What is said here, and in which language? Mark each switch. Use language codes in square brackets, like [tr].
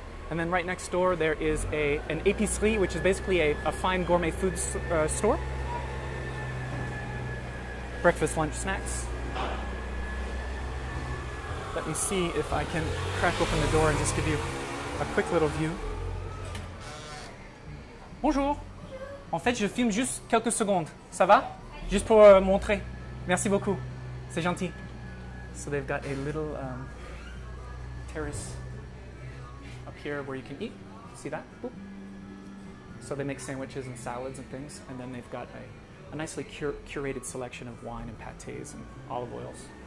[en] And then right next door, there is an épicerie, which is basically a fine gourmet food store. Breakfast, lunch, snacks. Let me see if I can crack open the door and just give you a quick little view. [fr] Bonjour. En fait, je filme juste quelques secondes. Ça va? Juste pour montrer. Merci beaucoup. C'est gentil. [en] So they've got a little terrace up here where you can eat. See that? Boop. So they make sandwiches and salads and things, and then they've got a nicely curated selection of wine and pâtés and olive oils.